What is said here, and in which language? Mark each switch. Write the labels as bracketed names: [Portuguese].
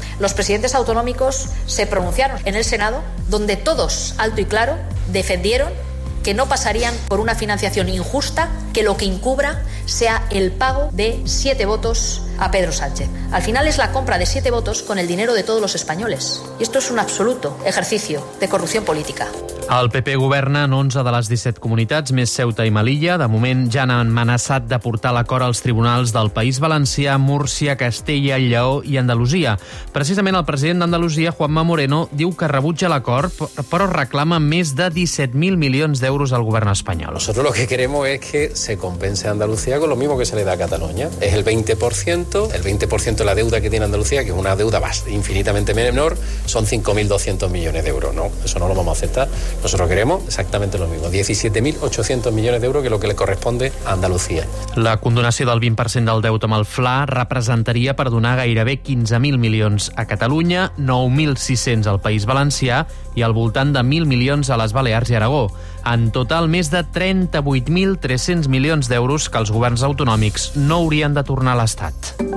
[Spanish] Los presidentes autonómicos se pronunciaron en el Senado, donde todos, alto y claro, defendieron que no pasarían por una financiación injusta, que lo que encubra sea el pago de 7 votos a Pedro Sánchez. Al final es la compra de 7 votos con el dinero de todos los españoles. Y esto es un absoluto ejercicio de corrupción política. [Catalan] El PP governa en 11 de les 17 comunitats, més Ceuta i Melilla. De moment ja han amenaçat de portar l'acord als tribunals del País Valencià, Múrcia, Castella, Lleó i Andalusia. Precisament el president d'Andalusia, Juanma Moreno, diu que rebutja l'acord, però reclama més de 17.000 milions d'euros al govern espanyol. [Spanish] Nosotros lo que queremos es que se compense a Andalucía con lo mismo que se le da a Cataluña. Es el 20%, el 20% de la deuda que tiene Andalucía, que es una deuda infinitamente menor, son 5.200 millones de euros, ¿no? Eso no lo vamos a aceptar. Nosotros queremos exactamente lo mismo, 17.800 millones de euros que lo que le corresponde a Andalucía. [Catalan] La condonació del 20% del deute amb el FLA representaria perdonar gairebé 15.000 milions a Catalunya, 9.600 al País Valencià i al voltant de 1.000 milions a les Balears i Aragó. En total, més de 38.300 milions d'euros que els governs autonòmics no haurien de tornar a l'Estat.